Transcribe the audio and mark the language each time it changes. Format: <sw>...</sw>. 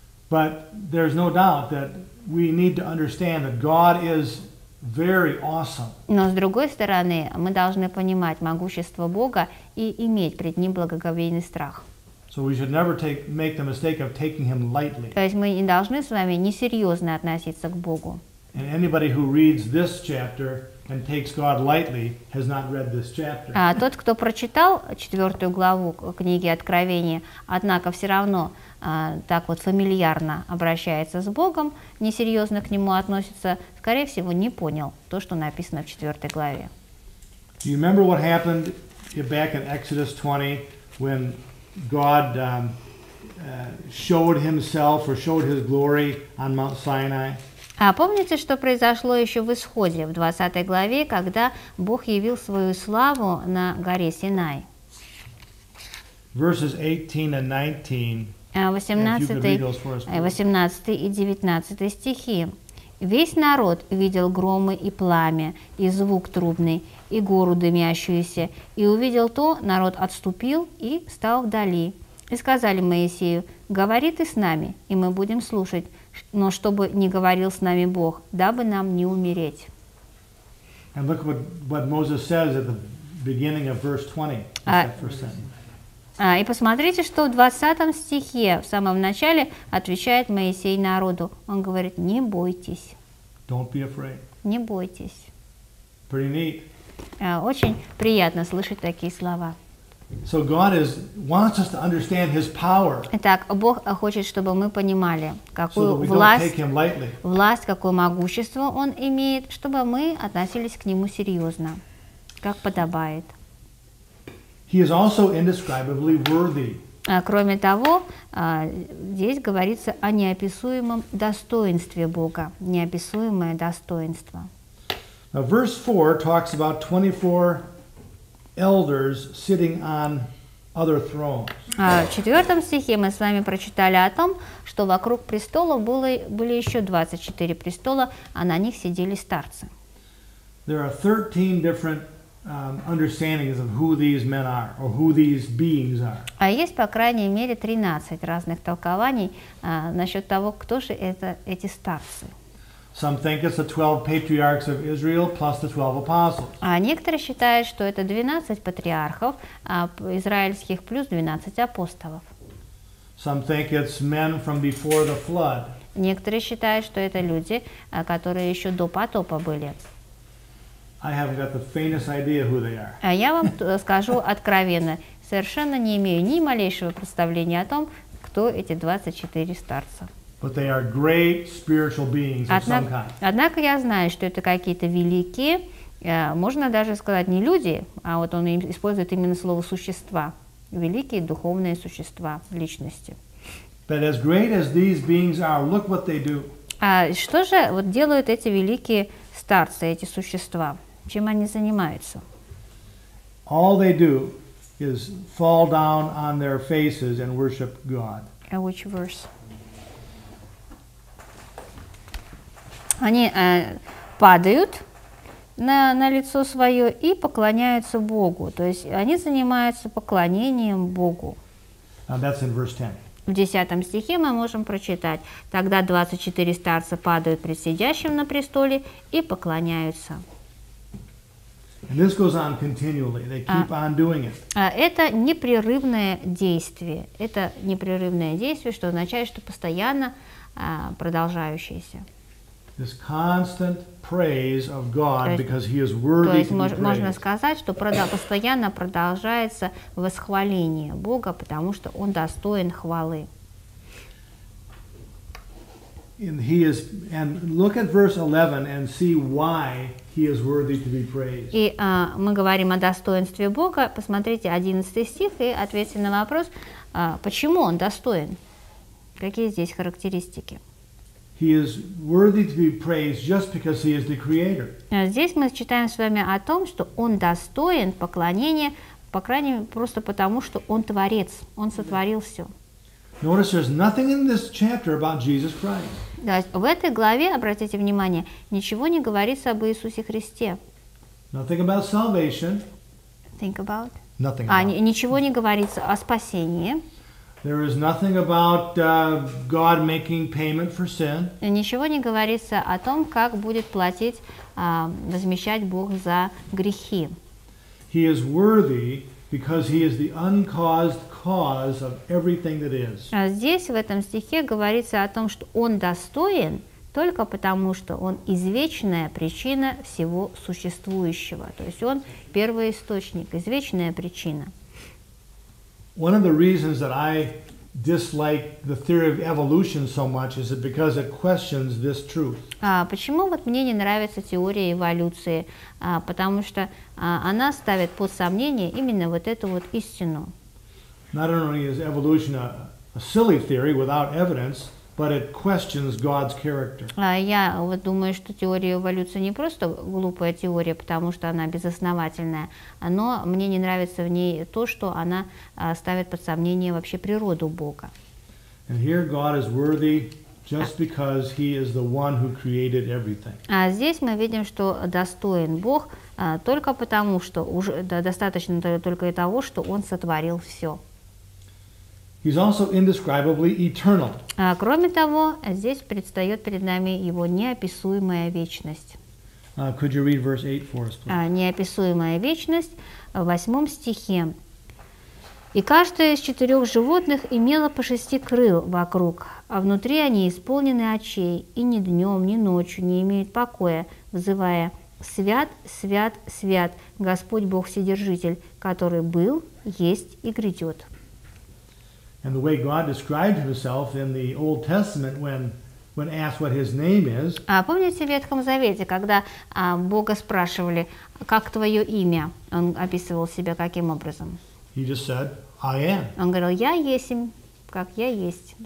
<en>But there's no doubt that we need to understand that God is very awesome.</en> <ru>Но с другой стороны, мы должны понимать могущество Бога и иметь пред Ним благоговейный страх.</ru> <en>So we should never make the mistake of taking Him lightly.</en> <ru>То есть мы не должны с вами несерьезно относиться к Богу.</ru> <en>And anybody who reads this chapter and takes God lightly has not read this chapter.</en> <ru>А тот, кто прочитал четвертую главу книги Откровения, однако все равно так вот фамильярно обращается с Богом, несерьезно к Нему относится, скорее всего, не понял то, что написано в четвертой главе.</ru> <en>Do you remember what happened back in Exodus 20 when God showed Himself or showed His glory on Mount Sinai?</en> <ru>А помните, что произошло еще в Исходе, в 20 главе, когда Бог явил свою славу на горе Синай?</ru> <en>Verses 18 and 19.</en> <ru>18 и 19 стихи. Весь народ видел громы и пламя, и звук трубный, и гору дымящуюся, и увидел то, народ отступил и стал вдали. И сказали Моисею: «Говори ты с нами, и мы будем слушать». Но чтобы не говорил с нами Бог, дабы нам не умереть.</ru> <en>And look what Moses says at the beginning of verse 20.</en> <ru>И посмотрите, что в 20 стихе, в самом начале, отвечает Моисей народу. Он говорит: не бойтесь.</ru> <en>Don't be afraid.</en> <ru>Не бойтесь.</ru> <en>Pretty neat.</en> <ru>Очень приятно слышать такие слова.</ru> <en>So God is wants us to understand His power.</en> <ru>Итак, Бог хочет, чтобы мы понимали, какую власть, какое могущество Он имеет, чтобы мы относились к Нему серьезно, как подобает.</ru> <en>He is also indescribably worthy.</en> <ru>Кроме того, здесь говорится о неописуемом достоинстве Бога, неописуемое достоинство.</ru> <en>Now, verse 4 talks about 24 elders sitting on other thrones.</en> <ru>В 4 стихе мы с вами прочитали о том, что вокруг престола были еще 24 престола, а на них сидели старцы.</ru> <en>There are 13 different understandings of who these men are or who these beings are.</en> <ru>А есть по крайней мере 13 разных толкований насчет того, кто же это эти старцы.</ru> <en>Some think it's the 12 patriarchs of Israel plus the 12 apostles.</en> <ru>А некоторые считают, что это 12 патриархов израильских плюс 12 апостолов.</ru> <en>Some think it's men from before the flood.</en> <ru>Некоторые считают, что это люди, которые еще до потопа были.</ru> <en>I haven't got the faintest idea who they are.</en> <ru>А я вам скажу откровенно, совершенно не имею ни малейшего представления о том, кто эти 24 старца.</ru> <en>But they are great spiritual beings of some kind.</en> <ru>Однако я знаю, что это какие-то великие, можно даже сказать, не люди, а вот он использует именно слово существа, великие духовные существа, личности.</ru> <en>But as great as these beings are, look what they do.</en> <ru>А что же вот делают эти великие старцы, эти существа? Чем они занимаются?</ru> <en>All they do is fall down on their faces and worship God.</en> <ru>А</ru> <en>which verse?</en> <ru>Они падают на лицо свое и поклоняются Богу. То есть они занимаются поклонением Богу. В 10 стихе мы можем прочитать. Тогда 24 старца падают пред сидящим на престоле и поклоняются.</ru> <en>And this goes on continually. They keep on doing it.</en> <ru>Это непрерывное действие. Это непрерывное действие, что означает, что постоянно продолжающееся.</ru> <en>This constant praise of God because He is worthy to be praised.</en> <ru>То есть можно сказать, что постоянно продолжается восхваление Бога, потому что Он достоин хвалы.</ru> <en>And He is, and look at verse 11 and see why He is worthy to be praised.</en> <ru>И мы говорим о достоинстве Бога. Посмотрите 11 стих и ответьте на вопрос, почему Он достоин? Какие здесь характеристики?</ru> <en>He is worthy to be praised just because He is the Creator.</en> <ru>Здесь мы читаем с вами о том, что Он достоин поклонения, по крайней мере, просто потому, что Он Творец, Он сотворил все.</ru> <en>Notice there's nothing in this chapter about Jesus Christ.</en> <ru>Да, в этой главе, обратите внимание, ничего не говорится об Иисусе Христе.</ru> <en>Nothing about salvation. Think about. Nothing about.</en> <ru>Ничего не говорится о спасении.</ru> <en>There is nothing about God making payment for sin.</en> <ru>Ничего не говорится о том, как будет платить, возмещать Бог за грехи.</ru> <en>He is worthy because He is the uncaused cause of everything that is.</en> <ru>Здесь в этом стихе говорится о том, что Он достоин только потому, что Он извечная причина всего существующего. То есть Он первоисточник, извечная причина.</ru> <en>One of the reasons that I dislike the theory of evolution so much is because it questions this truth.</en> <ru>Почему вот мне не нравится теория эволюции? Потому что она ставит под сомнение именно вот эту вот истину.</ru> <en>Not only is evolution a silly theory without evidence, but it questions God's character.</en> <ru>Я вот думаю, что теория эволюции не просто глупая теория, потому что она безосновательная, но мне не нравится в ней то, что она ставит под сомнение вообще природу Бога.</ru> <en>And here God is worthy just because He is the one who created everything.</en> <ru>А здесь мы видим, что достоин Бог только потому, что уже достаточно только и того, что Он сотворил все.</ru> <en>He's also indescribably eternal.</en> <ru>Кроме того, здесь предстает перед нами Его неописуемая вечность.</ru> <en>Could you read verse 8 for us, please?</en> <ru>Неописуемая вечность в 8 стихе. И каждое из четырех животных имело по шести крыл вокруг, а внутри они исполнены очей, и ни днем, ни ночью не имеют покоя, взывая «Свят, свят, свят, Господь Бог Вседержитель, который был, есть и грядет».</ru> <en>And the way God described himself in the Old Testament when asked what his name is.</en> <ru>А помните в Ветхом Завете, когда Бога спрашивали, как твое имя? Он описывал себя каким образом?</ru> <en>He just said, I am.</en> <ru>Он говорил, я есим, как я есть.</ru>